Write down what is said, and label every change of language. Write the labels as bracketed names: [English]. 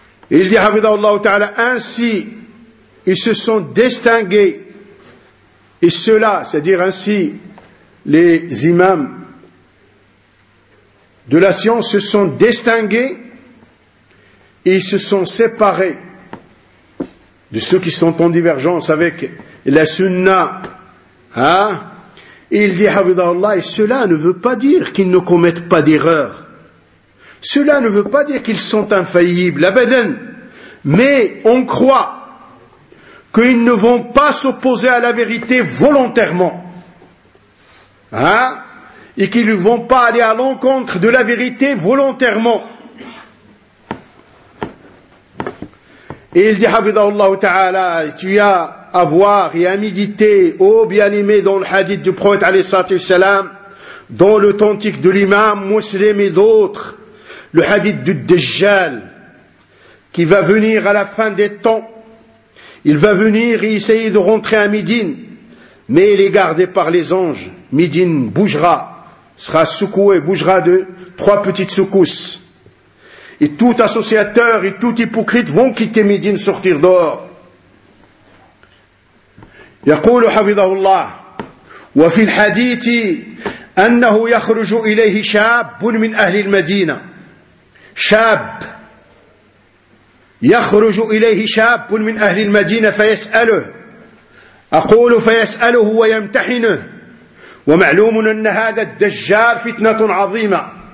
[French] Il dit, Hafidhahullah Ta'ala, ainsi, ils se sont distingués, et ceux-là, c'est-à-dire ainsi, les imams de la science se sont distingués, et ils se sont séparés de ceux qui sont en divergence avec la sunna. Hein? Et il dit, Hafidhahullah, et cela ne veut pas dire qu'ils ne commettent pas d'erreur. Cela ne veut pas dire qu'ils sont infaillibles. Abadan. Mais on croit qu'ils ne vont pas s'opposer à la vérité volontairement. Hein? Et qu'ils ne vont pas aller à l'encontre de la vérité volontairement. Et il dit, Habibullah Ta'ala, tu as à voir et à méditer, ô bien-aimé, dans le hadith du prophète, alayhi salam, dans l'authentique de l'imam, muslim et d'autres, le hadith du Dajjal, qui va venir à la fin des temps. Il va venir et essayer de rentrer à Médine, mais il est gardé par les anges. Médine bougera, sera secoué, bougera de trois petites secousses. Et tout associateur et tout hypocrite vont quitter Médine, sortir dehors. [Arabic] يقول حفظه الله وفي الحديث أنه يخرج إليه شاب من أهل المدينة شاب يخرج إليه شاب من أهل المدينة فيسأله أقول فيسأله ويمتحنه ومعلوم أن هذا الدجال فتنة عظيمة